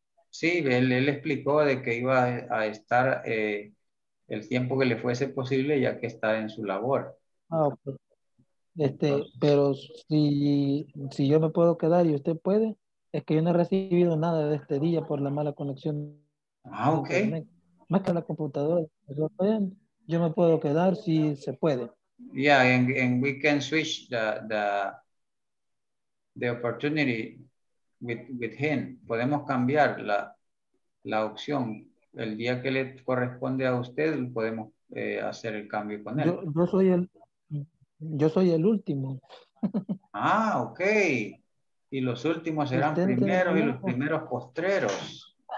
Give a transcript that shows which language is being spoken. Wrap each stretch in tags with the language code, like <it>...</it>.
<es>Sí, él explicó de que iba a estar el tiempo que le fuese posible, ya que está en su labor. Ah, okay. Entonces, pero si yo me puedo quedar y usted puede, es que yo no he recibido nada de este día por la mala conexión. Ah, ok. Más que la computadora, yo me puedo quedar si se puede.</es> <en>Yeah, and we can switch the opportunity with him.</en> <es>Podemos cambiar la opción. El día que le corresponde a usted, podemos hacer el cambio con él. Yo soy el último. Ah, ok. Y los últimos serán primeros y los primeros postreros.</es>